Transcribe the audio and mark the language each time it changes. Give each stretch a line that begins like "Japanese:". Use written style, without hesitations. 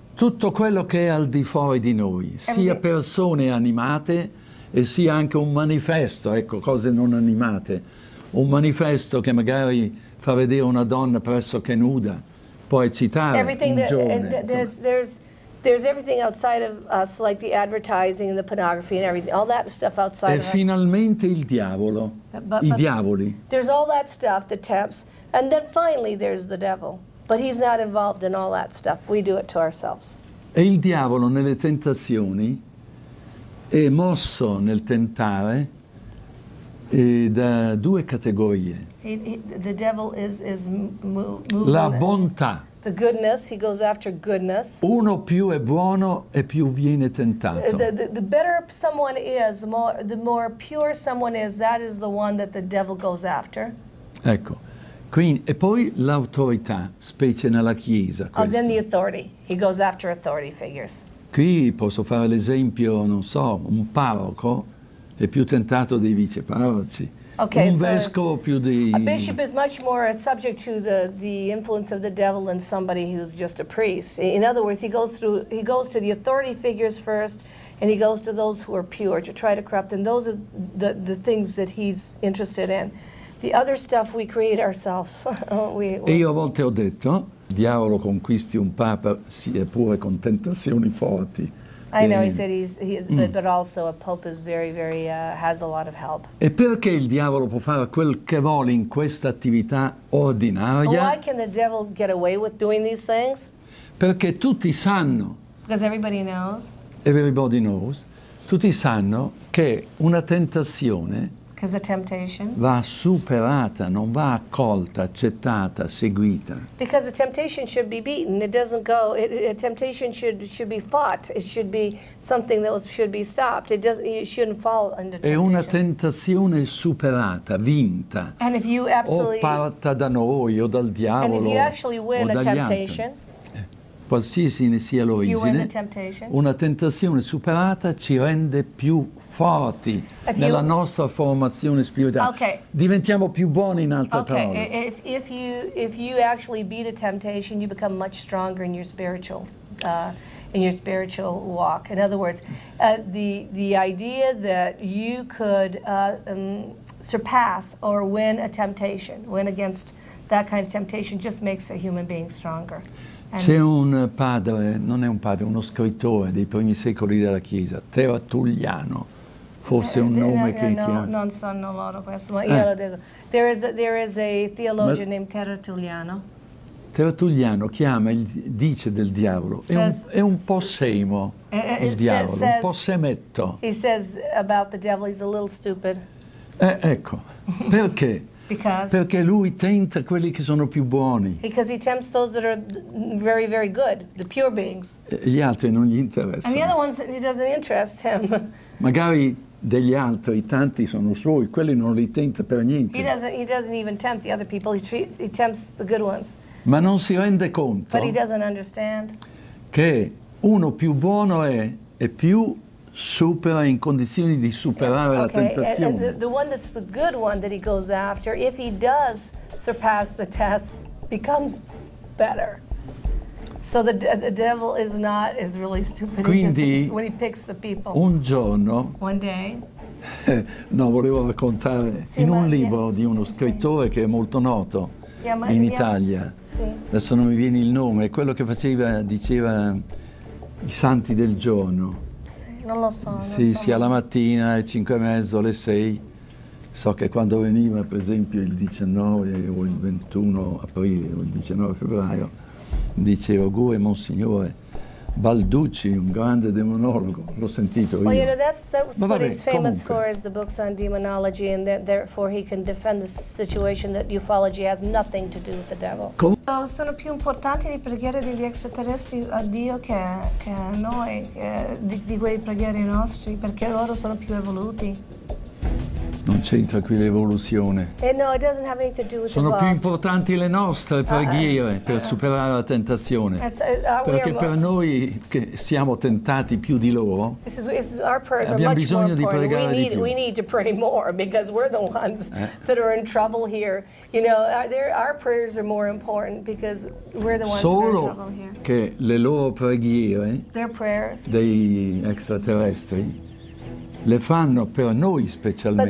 Italian: Tutto quello che è al di fuori di noi, sia persone animate e sia anche un manifesto, ecco, cose non animate, un manifesto che magari fa vedere una donna pressoché nuda, può eccitare
English: everything
Italian: un giovane.
English: That, there's everything outside of us, like the advertising and the pornography and everything, all that stuff outside of us.
Italian: E finalmente il diavolo, i diavoli.
English: There's all that stuff that tempts, and then finally there's the devil. But he's not involved in all that stuff. We do it to ourselves.
Italian: E il diavolo nelle tentazioni è mosso nel tentare da due categorie.
English: The devil is moves.
Italian: La bontà.
English: The goodness, he goes after goodness.
Italian: Uno più è buono e più viene tentato.
English: The better someone is, the more pure someone is, that is the one that the devil goes after.
Italian: Ecco. Quindi, e poi l'autorità, specie nella Chiesa.
English: And then the authority. He goes after authority figures.
Italian: Qui posso fare l'esempio, non so, un parroco è più tentato dei viceparroci.
English: Okay,
Italian: un vescovo più di...
English: A bishop is much more subject to the influence of the devil than somebody who's just a priest. In other words, he goes to the authority figures first, and he goes to those who are pure to try to corrupt them. Those are the things that he's interested in. The other stuff we create ourselves.
Italian: E io a volte ho detto, diavolo conquisti un papa sia pure con tentazioni forti.
English: I know he said but also a pope is very, very has a lot of help.
Italian: E perché il diavolo può fare quel che vuole in questa attività ordinaria?
English: Why can the devil get away with doing these things?
Italian: Perché tutti sanno.
English: Because everybody knows. Everybody knows.
Italian: Tutti sanno che una tentazione.
English: Because a temptation
Italian: va superata, non va accolta, accettata, seguita.
English: Because a temptation should be beaten, it doesn't go. A temptation should be fought. It should be something that should be stopped. It doesn't. It shouldn't fall under temptation.
Italian: È una tentazione superata, vinta.
English: And if you absolutely
Italian: o parta da noi o dal diavolo,
English: and if you actually win a temptation,
Italian: qualsiasi ne sia l'origine, una tentazione superata ci rende più forti nella nostra formazione spirituale.
English: Okay.
Italian: Diventiamo più buoni in altre parole.
English: Okay. If you actually beat a temptation, you become much stronger in your spiritual walk. In other words, the idea that you could surpass or win a temptation, win against that kind of temptation, just makes a human being stronger.
Italian: C'è un padre, non è un padre, uno scrittore dei primi secoli della Chiesa, Tertulliano. Forse un nome che non sanno loro questo, ma io lo dico.
English: There is a theologian named Tertulliano.
Italian: Tertulliano chiama dice del diavolo, è un po' scemo il diavolo, un po' semetto.
English: He says about the devil he's a little stupid.
Italian: Ecco. Perché? Perché lui tenta quelli che sono più buoni.
English: Because he tempts those that are very, very good, the pure beings.
Italian: Gli altri non gli interessano.
English: And the other ones, it doesn't interest him.
Italian: Magari degli altri, tanti sono suoi, quelli non li tenta per niente.
English: He doesn't even tempt the other people, he tempts the good ones.
Italian: Ma non si rende conto.
English: But he doesn't understand.
Italian: Che uno più buono è più supera in condizioni di superare la tentazione.
English: And the one that's the good one that he goes after, if he does surpass the test, becomes better. So the devil is really stupid.
Italian: Quindi,
English: when he picks the people.
Italian: Un giorno.
English: One day.
Italian: No, volevo raccontare in un libro di uno scrittore che è molto noto in Italia. Sì. Adesso non mi viene il nome. È quello che diceva i santi del giorno. Non lo so. Sì, sì, alla mattina, alle 5:30, alle 6. So che quando veniva, per esempio, il 19 o il 21 aprile o il 19 febbraio, sì. Dicevo, augure Monsignore Balducci, un grande demonologo. L'ho sentito
English: well,
Italian: io.
English: You know, that's what he's famous for is the books on demonology, and that therefore he can defend the situation that ufology has nothing to do with the devil.
Italian: Sono più importanti le preghiere degli extraterrestri a Dio che a noi, di quei preghieri nostri, perché loro sono più evoluti. Non c'entra qui l'evoluzione.
English: No, it doesn't have anything to do with
Italian: sono più importanti le nostre preghiere per superare la tentazione. Perché per noi che siamo tentati più di loro, abbiamo bisogno di pregare di più.
English: We need to pray more because we're the ones that are in trouble here. You know, our prayers are more important because we're the ones
Italian: solo
English: that are in trouble here.
Italian: Solo che le loro preghiere,
English: their prayers,
Italian: dei extraterrestri, le fanno per noi specialmente.